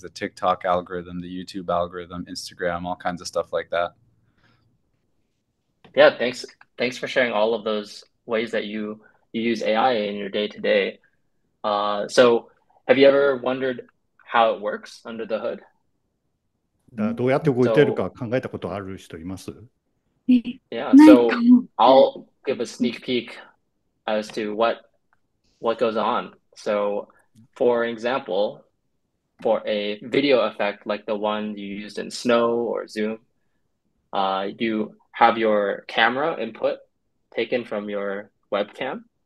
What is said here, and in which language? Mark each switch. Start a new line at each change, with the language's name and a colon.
English: The TikTok algorithm, the YouTube algorithm, Instagram, all kinds of stuff like that. Yeah, thanks. Thanks for sharing all of those ways that you use AI in your day-to-day. So have you ever wondered how it works under the hood?
Japanese: どうやって動いてるか考えたことある人います？
English: Yeah,
Japanese: ないかそも。
English: I'll give a sneak peek as to what goes on. So for example, for a video effect like the one you used in Snow or Zoom, you have your camera input taken from your webcam.